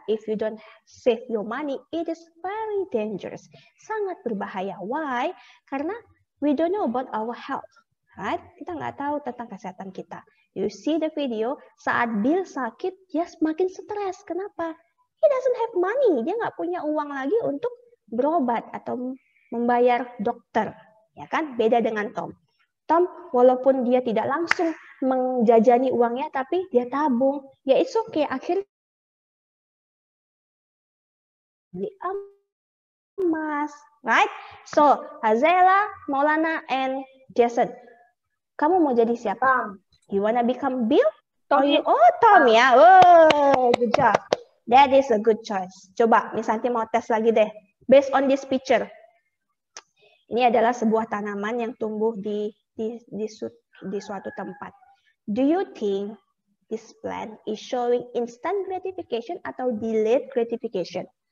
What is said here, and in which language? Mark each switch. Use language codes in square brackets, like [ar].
[en] If you don't save your money, it is very dangerous. [id] Sangat berbahaya. [en] Why? Karena we don't know about our health. Right? [id] Kita nggak tahu tentang kesehatan kita. [en] You see the video, [id] saat Bill sakit, dia semakin stres. Kenapa? [en] He doesn't have money. [id] Dia nggak punya uang lagi untuk berobat atau membayar dokter. Ya kan? Beda dengan Tom. Tom, walaupun dia tidak langsung menjajani uangnya, tapi dia tabung. Ya, [en] it's okay. [id] Akhirnya emas. Right? So, Hazela, Maulana, and Jason. Kamu mau jadi siapa? Tom. [en] You wanna become Bill? Tom. Oh, Tom ya. Oh, good job. That is a good choice. [id] Coba, Miss Santi mau tes lagi deh. [en] Based on this picture. [id] Ini adalah sebuah tanaman yang tumbuh di suatu tempat. [en] Do you think this plant is showing instant gratification atau delayed gratification?